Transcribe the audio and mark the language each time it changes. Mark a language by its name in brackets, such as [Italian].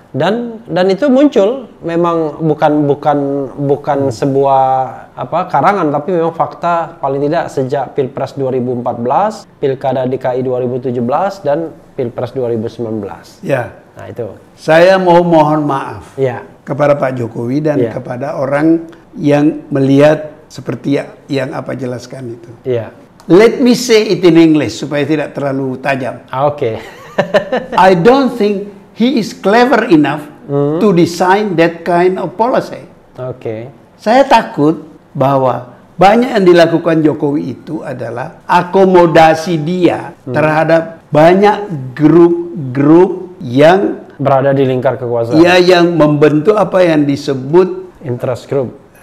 [Indonesian] dan itu muncul memang bukan sebuah karangan tapi memang fakta paling tidak sejak Pilpres 2014, Pilkada DKI 2017 dan Pilpres 2019. Ya. Yeah. Nah, itu. Saya mau mohon maaf yeah. Kepada Pak Jokowi dan yeah. Kepada orang yang melihat seperti yang apa jelaskan itu. Iya. Yeah. [English] Let me say it in English [Indonesian] supaya tidak terlalu tajam. Oke. [English] Okay. I don't think he is clever enough to design that kind of policy. [Indonesian] Oke. [English] Okay. [Indonesian] Saya takut bahwa banyak yang dilakukan Jokowi itu adalah akomodasi dia terhadap banyak grup-grup yang berada di lingkar kekuasaan. Ya, yang membentuk apa yang disebut [English] interest group.